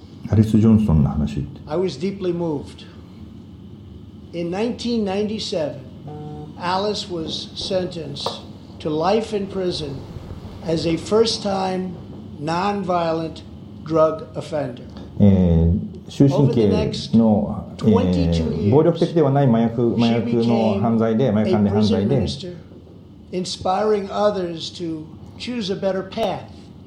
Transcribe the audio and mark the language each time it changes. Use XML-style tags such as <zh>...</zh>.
<ja>Alice Johnson の話。</ja> <en>I was deeply moved. In 1997, Alice was sentenced to life in prison as a first-time non-violent drug offender.</en> <ja>終身刑の、暴力的ではない麻薬の犯罪で、麻薬関連犯罪で、</ja> <en>inspiring others to choose a better path.</en>